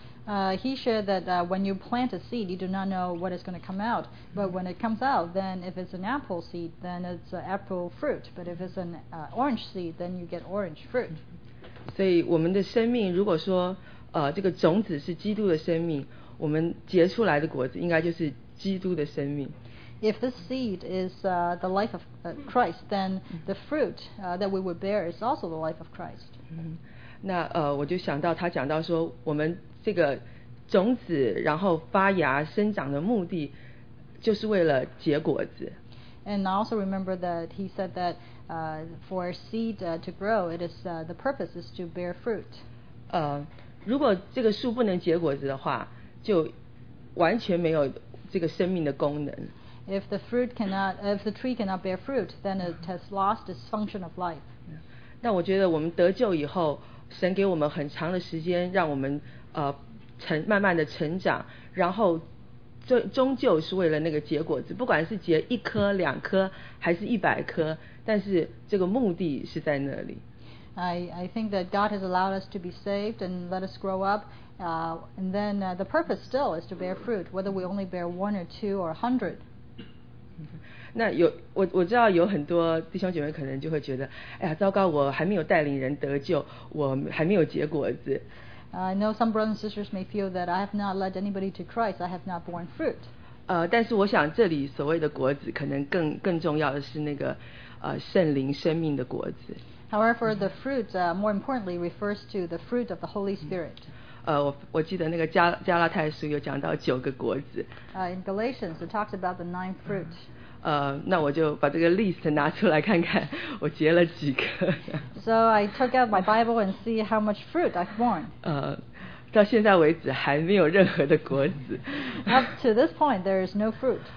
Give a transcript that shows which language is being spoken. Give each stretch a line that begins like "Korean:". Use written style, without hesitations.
English: He shared that when you plant a seed, you do not know what is going to come out. But when it comes out, then if it's an apple seed, then it's apple fruit. But if it's an orange seed, then you get orange fruit.
Chinese: 所以我们的生命，如果说这个种子是基督的生命，我们结出来的果子应该就是基督的生命。
English: If this seed is the life of Christ, then the fruit that we would bear is also the life of Christ.
Chinese: 那我就想到他讲到说我们这个种子然后发芽生长的目的就是为了结果子。
English: And I also remember that he said that for a seed to grow, it is the purpose is to bear fruit.
Chinese: 如果这个树不能结果子的话，就完全没有这个生命的功能。
English: If the fruit cannot, if the tree cannot bear fruit, then it has lost its function of life.
Chinese: 那我觉得我们得救以后，神给我们很长的时间让我们慢慢的成长，然后终究是为了那个结果子，不管是结一颗两颗还是一百颗，但是这个目的是在那里。
English: I think that God has allowed us to be saved and let us grow up and then the purpose still is to bear fruit, whether we only bear one or two or a hundred.
Chinese: 那有 我知道有很多弟兄姐妹可能就会觉得，哎呀糟糕，我还没有带领人得救，我还没有结果子。
English: I know some brothers and sisters may feel that I have not led anybody to Christ. I have not borne fruit.
Chinese: 但是我想这里所谓的果子，可能更重要的是那个圣灵生命的果子。
English: However, the fruit, more importantly, refers to the fruit of the Holy Spirit.
Chinese: 我记得那个加拉太书有讲到九个果子。
English: In Galatians, it talks about the nine fruit.
Chinese: 那我就把这个 list 拿出来看看，我结了几个。
English: So I took out my Bible and see how much fruit I've borne.
Chinese: 到现在为止还没有任何的果子。
English: Up to this point, there is no fruit.